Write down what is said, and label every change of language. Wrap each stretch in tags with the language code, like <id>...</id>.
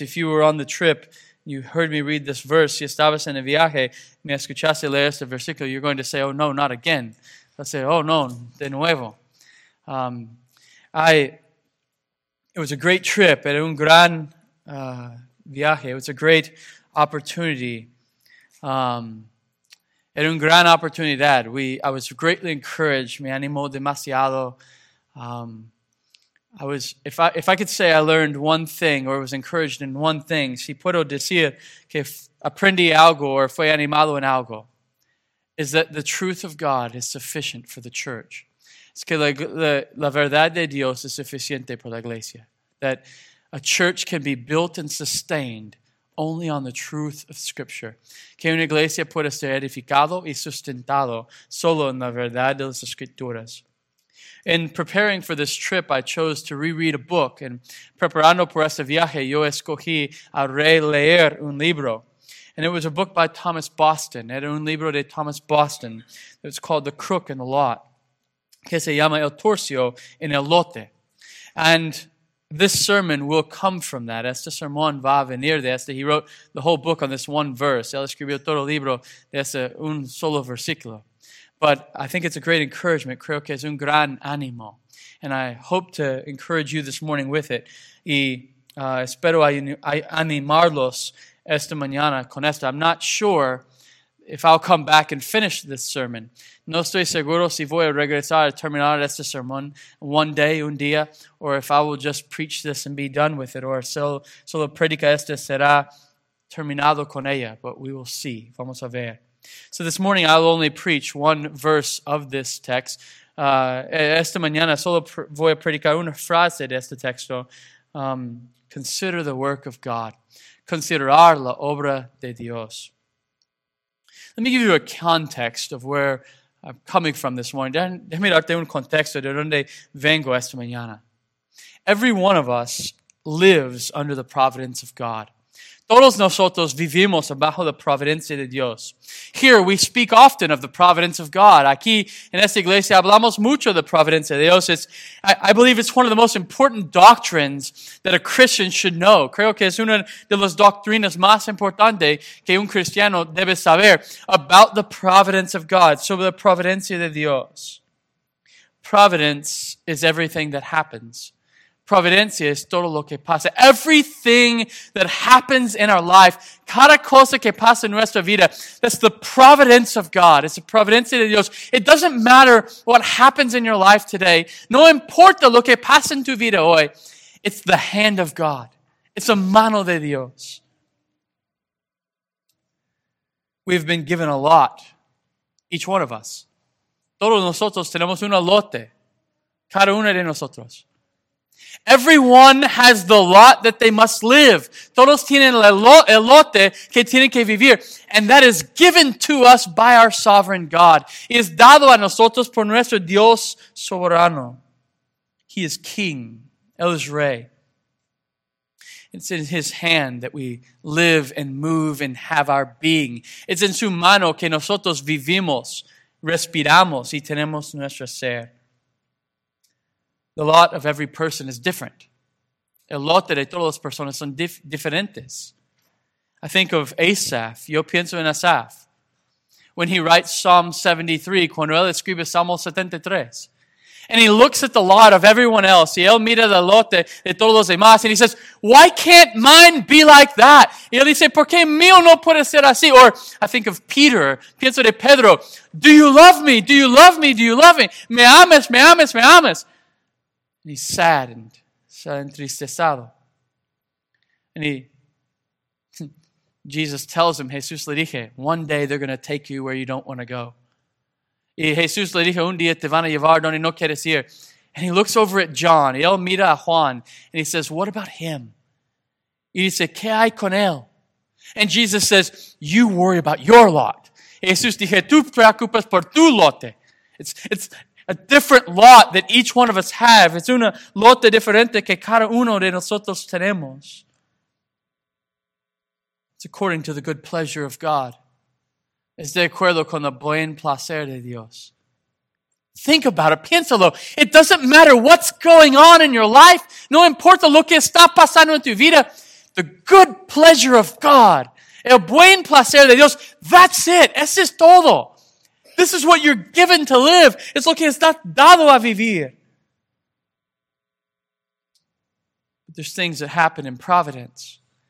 <en>If you were on the trip, you heard me read this verse,</en> <es>si estabas en el viaje, me escuchaste leer este versículo,</es> <en>you're going to say, oh no, not again. I'll say, oh no,</en> <es>de nuevo.</es> <en>It was a great trip,</en> <es>era un gran viaje,</es> <en>it was a great opportunity.</en> <es>Era un gran oportunidad.</es> <en>I was greatly encouraged,</en> <es>me animó demasiado.</es> <en>If I could say I learned one thing or was encouraged in one thing,</en> <es>si puedo decir que aprendí algo</es> <en>or</en> <es>fue animado en algo,</es> <en>is that the truth of God is sufficient for the church.</en> <es>Es que la verdad de Dios es suficiente por la iglesia.</es> <en>That a church can be built and sustained only on the truth of Scripture.</en> <es>Que una iglesia puede ser edificado y sustentado solo en la verdad de las Escrituras.</es> <en>In preparing for this trip, I chose to reread a book.</en> <es>And preparando por este viaje, yo escogí a releer un libro.</es> <en>And it was a book by Thomas Boston.</en> <es>Era un libro de Thomas Boston.</es> <en>It was called The Crook and the Lot.</en> <es>Que se llama El Torcio en el Lote.</es> <en>And this sermon will come from that.</en> <es>Este sermón va a venir de este.</es> <en>He wrote the whole book on this one verse.</en> <es>Él escribió todo el libro de este un solo versículo.</es> <en>But I think it's a great encouragement.</en> <es>Creo que es un gran ánimo.</es> <en>And I hope to encourage you this morning with it.</en> <es>Y espero animarlos esta mañana con esto.</es> <en>I'm not sure if I'll come back and finish this sermon.</en> <es>No estoy seguro si voy a regresar a terminar este sermón</es> <en>one day,</en> <es>un día,</es> <en>or if I will just preach this and be done with it, or</en> <es>solo predica esta será terminado con ella.</es> <en>But we will see.</en> <es>Vamos a ver.</es> <en>So this morning, I'll only preach one verse of this text.</en> <es>Esta mañana, solo voy a predicar una frase de este texto.</es> <en>Consider the work of God.</en> <es>Considerar la obra de Dios.</es> <en>Let me give you a context of where I'm coming from this morning.</en> <es>Déjame darte un contexto de donde vengo esta mañana.</es> <en>Every one of us lives under the providence of God.</en> <es>Todos nosotros vivimos bajo la providencia de Dios.</es> <en>Here we speak often of the providence of God.</en> <es>Aquí en esta iglesia hablamos mucho de providencia de Dios.</es> <en>I believe it's one of the most important doctrines that a Christian should know.</en> <es>Creo que es una de las doctrinas más importantes que un cristiano debe saber</es> <en>about the providence of God,</en> <es>sobre la providencia de Dios.</es> <en>Providence is everything that happens.</en> <es>Providencia es todo lo que pasa.</es> <en>Everything that happens in our life,</en> <es>cada cosa que pasa en nuestra vida,</es> <en>that's the providence of God. It's the</en> <es>providencia de Dios.</es> <en>It doesn't matter what happens in your life today.</en> <es>No importa lo que pasa en tu vida hoy.</es> <en>It's the hand of God. It's a</en> <es>mano de Dios.</es> <en>We've been given a lot, each one of us.</en> <es>Todos nosotros tenemos una lote, cada uno de nosotros.</es> <en>Everyone has the lot that they must live.</en> <es>Todos tienen el lote que tienen que vivir.</es> <en>And that is given to us by our sovereign God.</en> <es>Es dado a nosotros por nuestro Dios soberano.</es> <en>He is king.</en> <es>Él es rey.</es> <en>It's in his hand that we live and move and have our being. It's in</en> <es>su mano que nosotros vivimos, respiramos y tenemos nuestro ser.</es> <en>The lot of every person is different.</en> <es>El lote de todas las personas son diferentes.</es> <en>I think of Asaph.</en> <es>Yo pienso en Asaph.</es> <en>When he writes Psalm 73,</en> <es>cuando él escribe Salmo 73,</es> <en>and he looks at the lot of everyone else,</en> <es>y él mira el lote de todos los demás,</es> <en>and he says, why can't mine be like that?</en> <es>Y él dice, ¿por qué mío no puede ser así?</es> <en>Or I think of Peter.</en> <es>Pienso de Pedro.</es> <en>Do you love me? Do you love me? Do you love me?</en> <es>Me ames, me ames, me ames.</es> <en>And he's saddened,</en> <es>entristecido.</es> <en>And Jesus tells him,</en> <es>Jesús le dije,</es> <en>one day they're going to take you where you don't want to go.</en> <es>Y Jesús le dije, un día te van a llevar donde no quieres ir.</es> <en>And he looks over at John,</en> <es>y él mira a Juan,</es> <en>and he says, what about him?</en> <es>Y dice, ¿qué hay con él?</es> <en>And Jesus says, you worry about your lot.</en> <es>Jesús dije, tú preocupas por tu lote.</es> <en>It's a different lot that each one of us have. It's</en> <es>una lote diferente que cada uno de nosotros tenemos.</es> <en>It's according to the good pleasure of God.</en> <es>Es de acuerdo con el buen placer de Dios.</es> <en>Think about it.</en> <es>Piénsalo.</es> <en>It doesn't matter what's going on in your life.</en> <es>No importa lo que está pasando en tu vida.</es> <en>The good pleasure of God.</en> <es>El buen placer de Dios.</es> <en>That's it.</en> <es>Eso es todo.</es> <en>This is what you're given to live. It's</en> <es>lo que está dado a vivir.</es> <en>But there's things that happen in providence.</en>